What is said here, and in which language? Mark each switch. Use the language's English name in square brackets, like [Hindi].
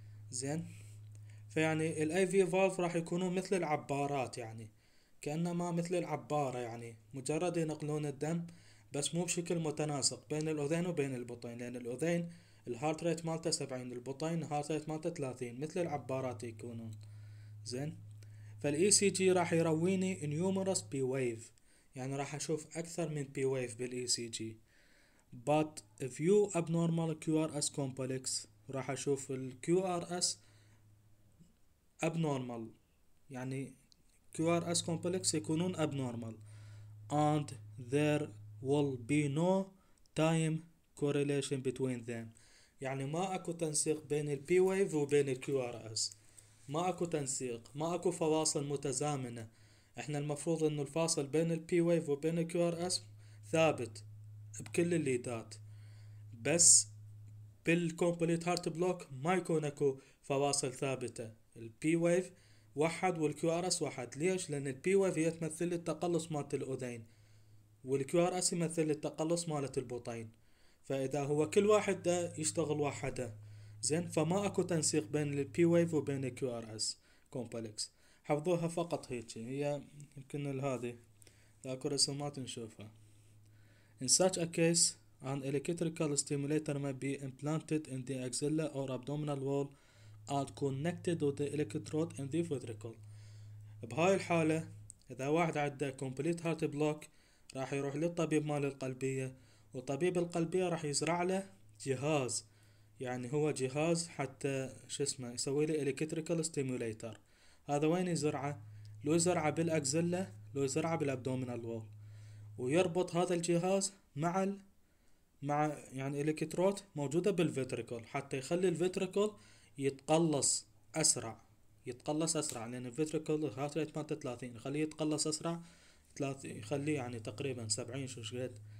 [Arabic] زين، فيعني الاي في فالف راح يكونون مثل العبارات، يعني كانما مثل العباره، يعني مجرد ينقلون الدم بس مو بشكل متناسق بين الاذين وبين البطين، لان الاذين الهارت ريت مالته 70، البطين الهارت ريت مالته 30، مثل العبارات يكونون. زين، فالاي سي جي راح يرويني نيومرس بي ويف، يعني راح اشوف اكثر من بي ويف بالاي سي جي. [English] But if you abnormal QRS complex [Arabic] راح اشوف ال [English] QRS abnormal، [Arabic] يعني [English] QRS complex [Arabic] يكونون [English] abnormal and there will be no time correlation between them. [Arabic] يعني ما اكو تنسيق بين ال P wave وبين ال QRS، ما اكو تنسيق، ما اكو فواصل متزامنة. احنا المفروض انه الفاصل بين ال P wave وبين ال QRS ثابت بكل الليدات، بس بالكومبليت هارت بلوك ما يكون اكو فواصل ثابتة. البي ويف واحد والكيو ار اس واحد، ليش؟ لان البي ويف هي تمثل التقلص مالت الاذين، والكيو ار اس يمثل التقلص مالت البطين، فاذا هو كل واحد ده يشتغل وحده. زين، فما اكو تنسيق بين البي ويف وبين الكيو ار اس كومبلكس. حفظوها فقط هيك، هي يمكن هذه اكو رسومات نشوفها. [English] In such a case, an electrical stimulator may be implanted in the axilla or abdominal wall and connected to the electrode in the ventricle. [Arabic] بهاي الحالة إذا واحد عنده complete heart block راح يروح للطبيب مال القلبية، وطبيب القلبية راح يزرع له جهاز، يعني هو جهاز حتى شو اسمه يسوي له electrical stimulator. هذا وين يزرعه؟ لو يزرعه بالأكزيلا، لو يزرعه بالأبدومينال وول، ويربط هذا الجهاز مع يعني الكتروت موجودة بالفيتريكل حتى يخلي الفيتريكل يتقلص أسرع، يتقلص أسرع، لأن الفيتريكل هارت ريت مالته 30، يخليه يتقلص أسرع 30، يخليه يعني تقريبا 70 شو شقد.